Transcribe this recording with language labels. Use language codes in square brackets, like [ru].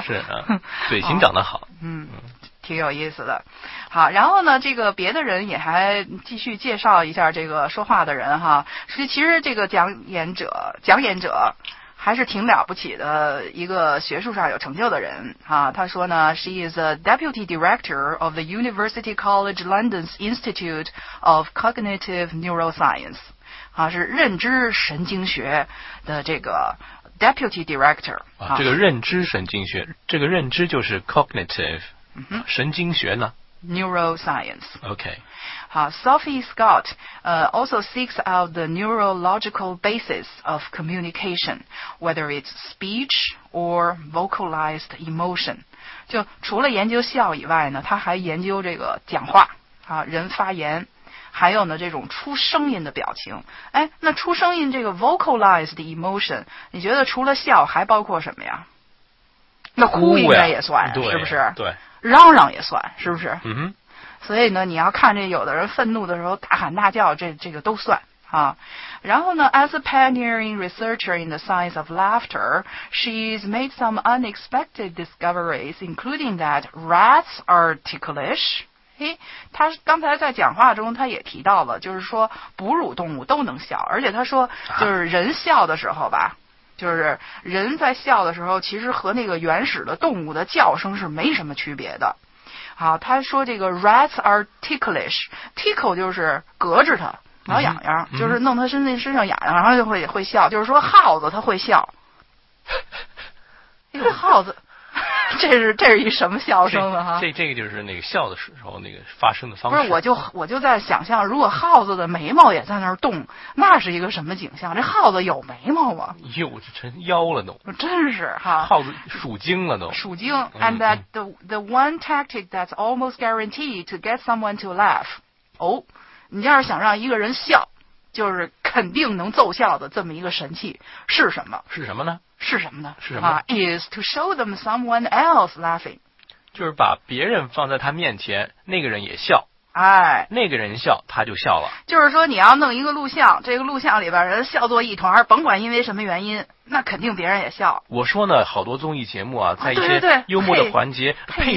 [zh] 是啊，嘴型长得好。挺有意思的。好，然后呢，这个别的人也还继续介绍一下这个说话的人哈。其实这个讲演者还是挺了不起的一个学术上有成就的人哈。他说呢 [en] ，She is a deputy director of the University College London's Institute of Cognitive Neuroscience， [zh] 啊，是认知神经学的这个。 [en] Deputy Director [zh] 啊，这个认知神经学，这个认知就是 cognitive，神经学呢 [en] ？Neuroscience。 OK。好 ，Sophie Scott also seeks out the neurological basis of communication, whether it's speech or vocalized emotion。 [zh] 就除了研究笑以外呢，他还研究这个讲话啊，人发言。还有呢这种出声音的表情。哎，那出声音这个 vocalized emotion 你觉得除了笑还包括什么呀？那哭应该也算，对，是不是？对，嚷嚷也算，是不是？嗯哼。所以呢你要看这有的人愤怒的时候大喊大叫，这个都算啊。 [en] 然后呢 as a pioneering researcher in the science of laughter, she's made some unexpected discoveries, including that rats are ticklish。 [zh] 哎，他刚才在讲话中他也提到了，就是说哺乳动物都能笑，而且他说就是人笑的时候吧，就是人在笑的时候其实和那个原始的动物的叫声是没什么区别的。好，他说这个 [en] rats are ticklish， [zh] tickle 就是隔着它挠痒痒，就是弄它身上痒痒，然后就会笑，就是说耗子它会笑。哎呦，耗子这是一什么笑声呢？这个就是那个笑的时候那个发声的方式。不是，我就在想象，如果耗子的眉毛也在那儿动，那是一个什么景象？这耗子有眉毛吗？哟，这成妖了都！真是哈，耗子鼠精了都。鼠精。 [en] And that the one tactic that's almost guaranteed to get someone to laugh， [zh] 你要是想让一个人笑，就是肯定能奏效的这么一个神器是什么？是什么呢？是什么呢？是什么、 [en] is to show them someone else laughing， [zh] 就是把别人放在他面前，那个人也笑，哎，那个人笑他就笑了。就是说你要弄一个录像，这个录像里边人笑作一团，甭管因为什么原因，那肯定别人也笑。我说呢好多综艺节目啊，在一些幽默的环节、配